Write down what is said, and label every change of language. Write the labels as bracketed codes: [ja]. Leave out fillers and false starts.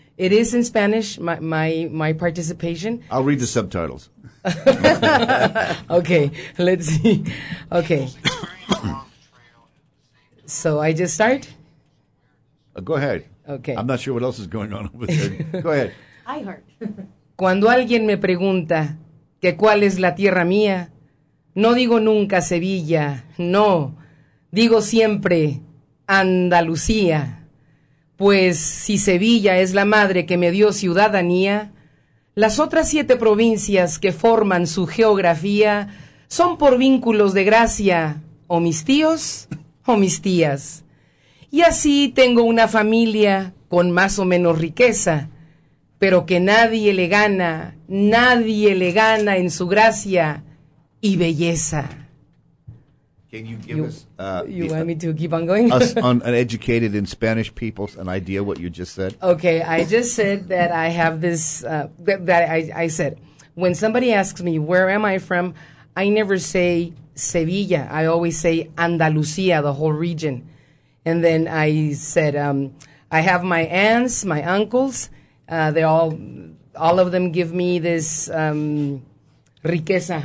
[en] It is in Spanish, my participation. I'll read the subtitles. Okay, let's see. Okay. So I just start? Go ahead. Okay. I'm not sure what else is going on over there. Go ahead. I heard. [es] Cuando alguien me pregunta que cuál es la tierra mía, no digo nunca Sevilla, no. Digo siempre Andalucía. Pues si Sevilla es la madre que me dio ciudadanía, las otras siete provincias que forman su geografía son por vínculos de gracia, o mis tíos o mis tías. Y así tengo una familia con más o menos riqueza, pero que nadie le gana en su gracia y belleza. [en] Can you give want me to keep on going? Us uneducated in Spanish people, an idea what you just said? Okay, I just said that I have this, I said, when somebody asks me, where am I from, I never say Sevilla. I always say Andalucía, the whole region. And then I said, I have my aunts, my uncles, all of them give me this riqueza.